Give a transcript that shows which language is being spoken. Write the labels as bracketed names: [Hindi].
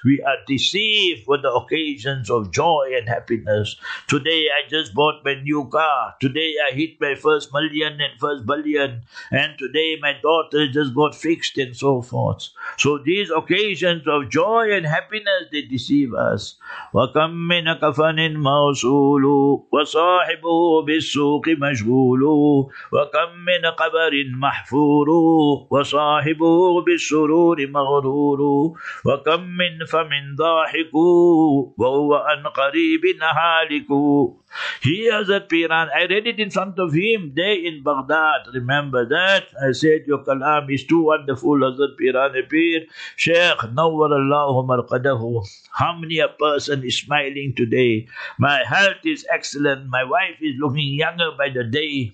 [English] We are deceived with the occasions of joy and happiness. Today I just bought my new car. Today I hit my first million and first billion. And today my daughter just got fixed and so forth. So these occasions of joy and happiness, they deceive us. [Arabic] وَكَمْ مِنَ كَفَنٍ مَوْسُولُ وَصَاحِبُهُ بالسوق مشغول وكم من قبر محفور وصاحبه بالسرور مغرور وكم من فم ضاحك وهو عن قريب هالك. [English] He has a Piran. I read it in front of him there in Baghdad. Remember that? I said, your kalam is too wonderful, Hazrat Piran Peer. Sheikh, Nawwarallahu Marqadahu. How many a person is smiling today? My health is excellent. My wife is looking younger by the day.